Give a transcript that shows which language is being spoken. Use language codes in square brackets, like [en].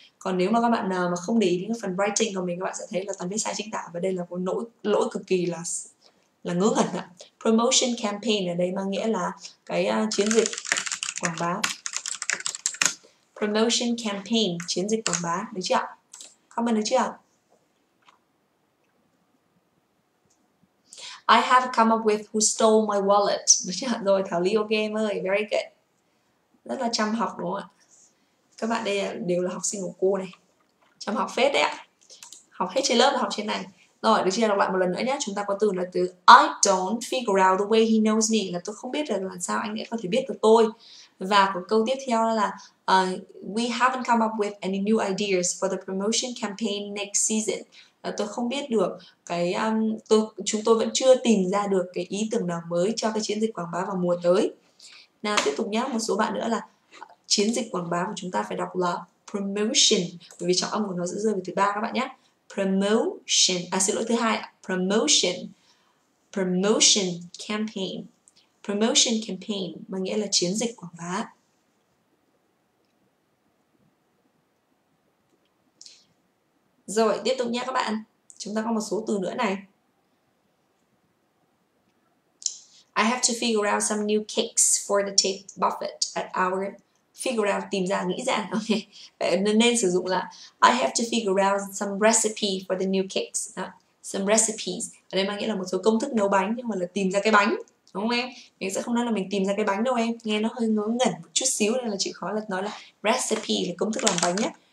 [vi] Còn nếu mà các bạn nào mà không để ý đến phần writing của mình, các bạn sẽ thấy là toàn viết sai chính tả và đây là một lỗi cực kỳ là ngớ ngẩn ạ. Promotion campaign ở đây mang nghĩa là cái chiến dịch quảng bá. Promotion campaign, chiến dịch quảng bá, được chưa ạ? Comment được chưa? [en] I have come up with who stole my wallet. [vi] Được chưa? Rồi, Thảo Ly ok em ơi. [en] Very good. [vi] Rất là chăm học đúng không ạ? Các bạn đây đều là học sinh của cô này. Chăm học phết đấy ạ. Học hết trên lớp và học trên này. Rồi, được chưa? Đọc lại một lần nữa nhé. Chúng ta có từ là từ [en] I don't figure out the way he knows me. [vi] Là tôi không biết là làm sao anh ấy có thể biết được tôi. Và câu tiếp theo là [en] we haven't come up with any new ideas for the promotion campaign next season. [vi] Tôi không biết được cái chúng tôi vẫn chưa tìm ra được cái ý tưởng nào mới cho cái chiến dịch quảng bá vào mùa tới. Nào tiếp tục nhé, một số bạn nữa là chiến dịch quảng bá của chúng ta phải đọc là promotion bởi vì trọng âm của nó sẽ rơi vào thứ ba các bạn nhé. Promotion, à xin lỗi thứ hai, promotion campaign. Promotion campaign mà nghĩa là chiến dịch quảng bá. Rồi, tiếp tục nha các bạn. Chúng ta có một số từ nữa này. [en] I have to figure out some new kicks for the tape buffet at our... Figure out, [vi] tìm ra, nghĩ ra. [en] Okay. [vi] Nên sử dụng là [en] I have to figure out some recipe for the new kicks. Some recipes. [vi] Ở đây mang nghĩa là một số công thức nấu bánh, nhưng mà là tìm ra cái bánh. Đúng không em? Mình sẽ không nói là mình tìm ra cái bánh đâu em. Nghe nó hơi ngớ ngẩn một chút xíu nên là chịu khó là nói là recipe là công thức làm bánh nhé.